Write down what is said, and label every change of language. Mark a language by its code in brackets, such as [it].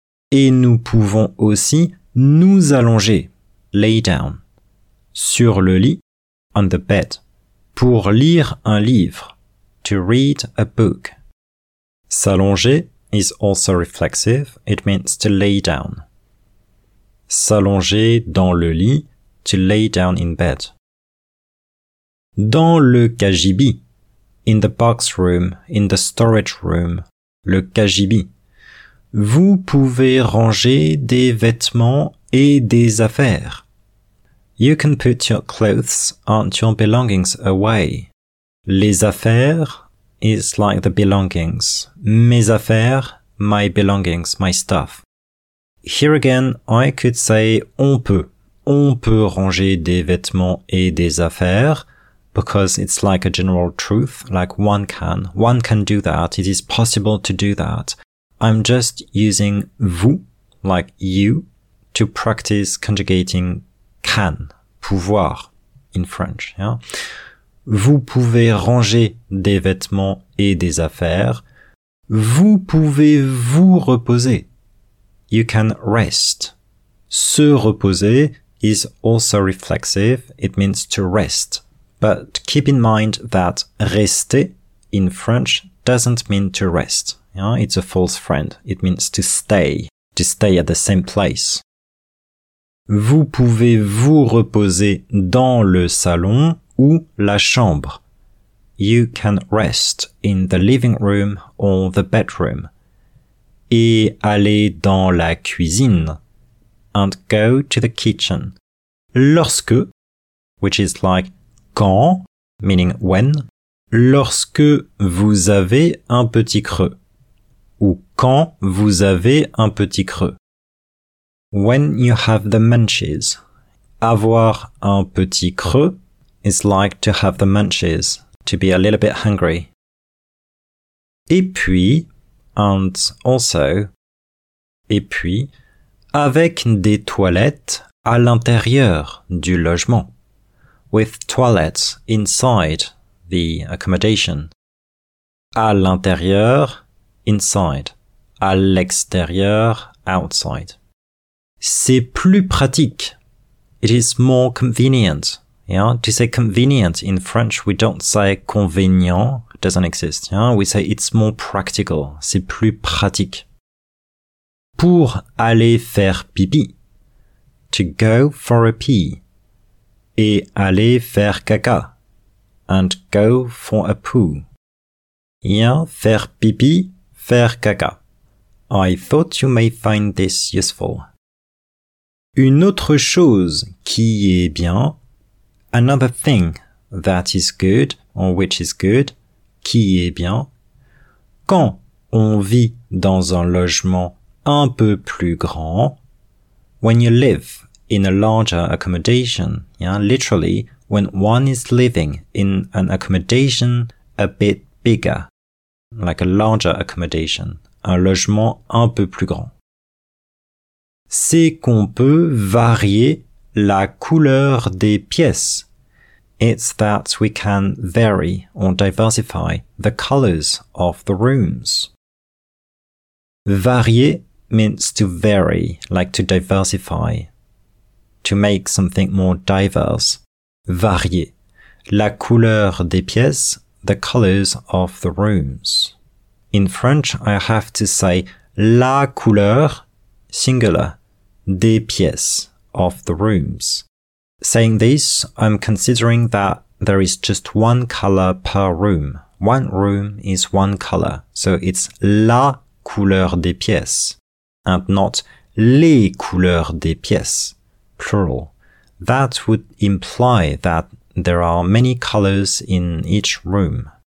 [fr] Et nous pouvons aussi nous allonger, [en] lay down, [fr] sur le lit, [en] on the bed, [fr] pour lire un livre, [en] to read a book. S'allonger is also reflexive, it means to lay down. [fr] S'allonger dans le lit, [en] to lay down in bed. [fr] Dans le cagibi, [en] in the box room, in the storage room, le cagibi. [fr] Vous pouvez ranger des vêtements et des affaires. [en] You can put your clothes and your belongings away. Les affaires is like the belongings. Mes affaires, my belongings, my stuff. Here again, I could say on peut. [fr] On peut ranger des vêtements et des affaires. [en] Because it's like a general truth, like one can do that, it is possible to do that. I'm just using vous, like you, to practice conjugating can, pouvoir, in French. Yeah? [fr] Vous pouvez ranger des vêtements et des affaires. Vous pouvez vous reposer. [en] You can rest. Se reposer is also reflexive, it means to rest. But keep in mind that rester in French doesn't mean to rest. You know, it's a false friend. It means to stay at the same place. [fr] Vous pouvez vous reposer dans le salon ou la chambre. [en] You can rest in the living room or the bedroom. [fr] Et aller dans la cuisine. [en] And go to the kitchen. [fr] Lorsque, [en] which is like, [fr] quand, [en] meaning when, [fr] lorsque vous avez un petit creux, ou quand vous avez un petit creux. [en] When you have the munchies, [fr] avoir un petit creux [en] is like to have the munchies, to be a little bit hungry. [fr] Et puis, [en] and also, [fr] et puis, avec des toilettes à l'intérieur du logement. [en] With toilets inside the accommodation. [fr] À l'intérieur, inside. À l'extérieur, outside. C'est plus pratique. [en] It is more convenient. Yeah? To say convenient in French, we don't say convenient. It doesn't exist. Yeah? We say it's more practical. [fr] C'est plus pratique. Pour aller faire pipi. [en] To go for a pee. [fr] Et aller faire caca, [en] and go for a poo. Yeah, faire pipi, faire caca. I thought you may find this useful. [fr] Une autre chose qui est bien, [en] another thing that is good on which is good, [fr] qui est bien. Quand on vit dans un logement un peu plus grand, [en] when you live in a larger accommodation, yeah, literally, when one is living in an accommodation a bit bigger, like a larger accommodation, [fr] un logement un peu plus grand. C'est qu'on peut varier la couleur des pièces. [en] It's that we can vary or diversify the colors of the rooms. Varier means to vary, like to diversify, to make something more diverse. Varier la couleur des pièces, the colors of the rooms. In French, I have to say la couleur, singular, des pièces, of the rooms. Saying this, I'm considering that there is just one color per room. One room is one color, so it's la couleur des pièces, and not les couleurs des pièces, plural. That would imply that there are many colors in each room.